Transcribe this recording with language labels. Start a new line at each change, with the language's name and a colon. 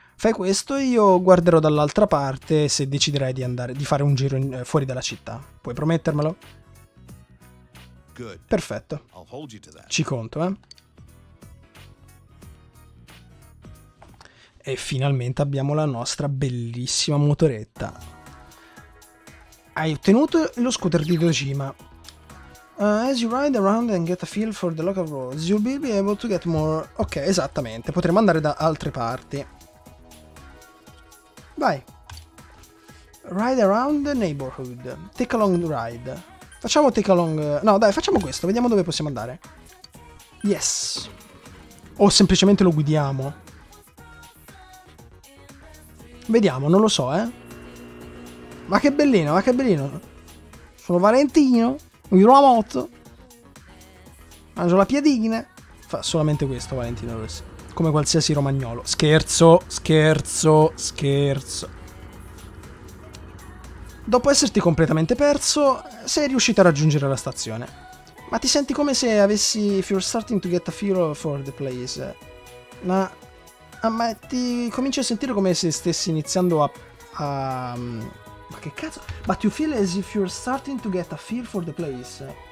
Italian: Fai questo e io guarderò dall'altra parte se deciderai di fare un giro fuori dalla città. Puoi promettermelo? Perfetto, ci conto, E finalmente abbiamo la nostra bellissima motoretta. Hai ottenuto lo scooter di Dojima.
English: As you ride around and get a feel for the local roads, you'll be able to get more...
Italian: Ok, esattamente, potremmo andare da altre parti. Vai.
English: Ride around the neighborhood. Take a long ride.
Italian: Facciamo
English: take a long...
Italian: No, dai, facciamo questo. Vediamo dove possiamo andare.
English: Yes.
Italian: O semplicemente lo guidiamo. Vediamo, non lo so, eh. Ma che bellino, ma che bellino. Sono Valentino. Guido la moto. Mangio la piadina. Fa solamente questo, Valentino. Come qualsiasi romagnolo. Scherzo, scherzo, scherzo. Dopo esserti completamente perso, sei riuscito a raggiungere la stazione. Ma ti senti come se avessi...
English: If you're starting to get a feel for the place.
Italian: Ma ti cominci a sentire come se stessi iniziando a... Ma che cazzo?
English: But you feel as if you're starting to get a feel for the place.